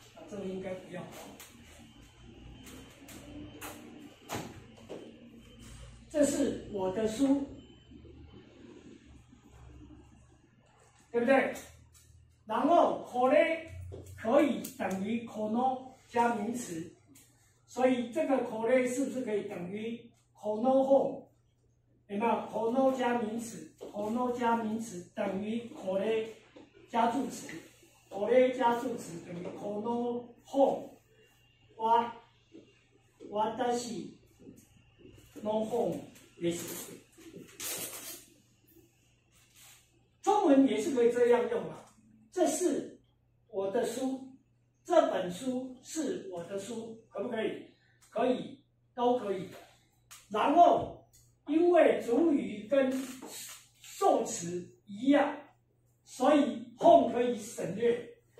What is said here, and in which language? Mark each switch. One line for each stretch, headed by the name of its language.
Chinese: 这个应该不用，这是我的书，对不对？然后これ可以等于この加名词，所以这个これ是不是可以等于この本？有没有？この加名词，この加名词等于これ加助词，これ加助词等于
Japanese: この本は私の本です。
Chinese: 中文也是可以这样用啊。这是我的书，这本书是我的书，可不可以？可以，都可以。然后，因为主语跟受词一样，所以后可以省略。